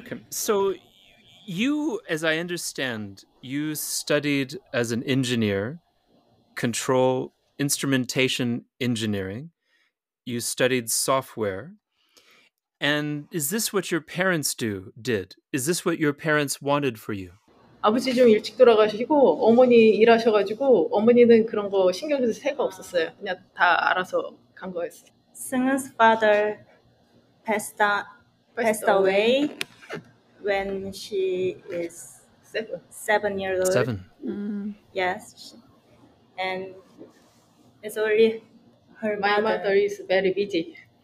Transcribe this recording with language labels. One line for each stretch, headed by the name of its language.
English: So you, as I understand, you studied as an engineer, control instrumentation engineering. You studied software. And is this what your parents did? Is this what your parents wanted for you?
Korean: 아버지 좀 일찍 돌아가시고 어머니 일하셔가지고 어머니는 그런 거 신경 쓸 새가 없었어요. 그냥 다 알아서 간 거였어요.
English: Seung-Eun's father passed away when she is seven years old. Seven. Mm-hmm. Yes. And it's only her My mother is very busy.